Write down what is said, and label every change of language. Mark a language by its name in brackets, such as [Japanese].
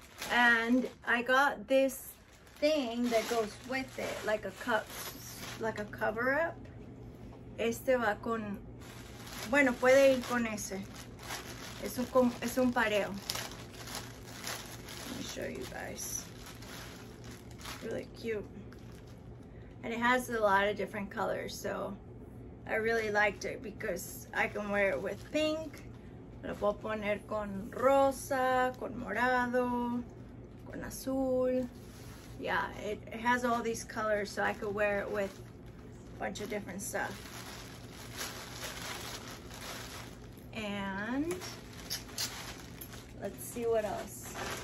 [English] And I got this thing that goes with it, like a cup, like a cover up. [Spanish] Este va con, bueno, puede ir con ese. Es un pareo. [English] Let me show you guys. Really cute. And it has a lot of different colors, so I really liked it because I can wear it with pink. [Spanish] Lo puedo poner con rosa, con morado, con azul. [English] Yeah, it has all these colors, so I could wear it with a bunch of different stuff. And let's see what else.